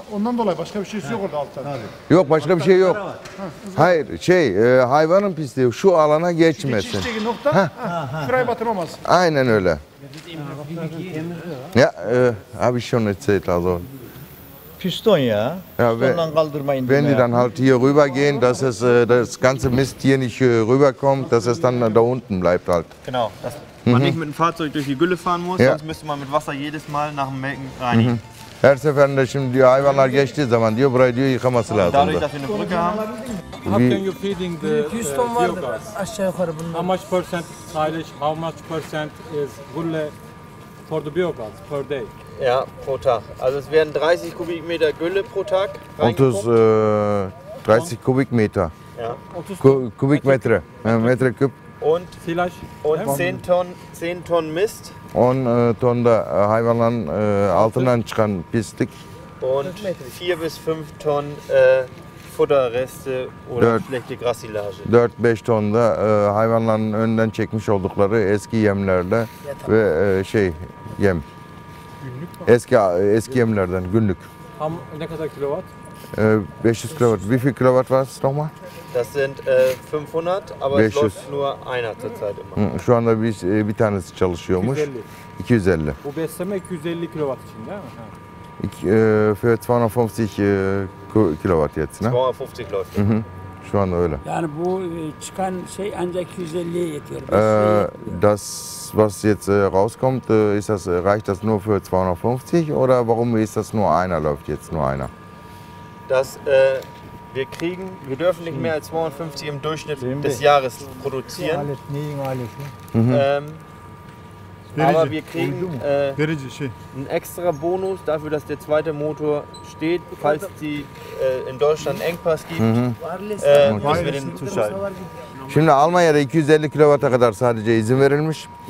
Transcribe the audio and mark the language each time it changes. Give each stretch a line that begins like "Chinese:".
Turkish: Ondan dolayı başka bir şey yok orada altta. Tabii. Yok başka bir şey yok. Hayır şey hayvanın pisliği şu alana geçmesin. Geçişteki nokta kırayı batırmaması. Aynen öyle. Ya abi şunu etseydi daha zor. Piston ya. Ja, Pistondan kaldırma indirme.
German: Wenn die dann halt hier rüber gehen, dass es das ganze Mist hier nicht rüberkommt, dass es dann da unten bleibt halt. Genau. Dass man nicht mit dem Fahrzeug durch die Gülle fahren muss, ja. Sonst müsste man mit Wasser jedes Mal nach dem Melken reinigen. Mhm.
Turkish: Her seferinde şimdi diyor hayvanlar geçtiği zaman diyor burayı diyor yıkaması lazım.
German: Dadurch, dass wir eine Brücke haben.
English: How can you feeding the
Turkish: Piston vardır aşağı yukarı bunun.
English: How much percent silage, how much percent is gülle for the biogas per day?
German: Ja, pro Tag. Also es werden 30 Kubikmeter Gülle pro Tag reingepumpt. Und das 30 Kubikmeter. Ja. Kubikmeter. Meter Kub. Und vielleicht und 10 Tonnen 10 Tonnen Mist. Und Tonnen
Turkish: Hayvanların altından çıkan pislik.
German: Und 4 bis 5 Tonnen Futterreste oder schlechte Grassilage.
Turkish: 4-5 Tonnen da hayvanların önden çekmiş oldukları eski yemlerle ve şey yem. Eski yemlerden günlük. Ham ne kadar kilowatt?
German: 500 kilowatt. Wie viel kilowatt war es nochmal? Das sind 500, aber 500. Es läuft nur einer zurzeit immer.
Turkish: Şu anda bir tanesi çalışıyormuş. 250. Bu besleme 250 kilowatt için değil mi?
German: Für 250 kilowatt jetzt, ne? 250 läuft.
Turkish: Mhm. Şu anda öyle. Yani bu çıkan şey ancak 250'ye yetiyor.
German: Das was jetzt rauskommt, ist das, reicht das nur für 250 oder warum ist das nur einer, läuft jetzt nur einer? Das, wir kriegen, wir dürfen nicht mehr als 250 im Durchschnitt des Jahres produzieren. Aber wir kriegen einen extra Bonus dafür, dass der zweite Motor steht, falls die in Deutschland Engpass gibt, müssen wir den zuschalten.
Turkish: Şimdi Almanya'da 250 kW'a kadar sadece izin verilmiş.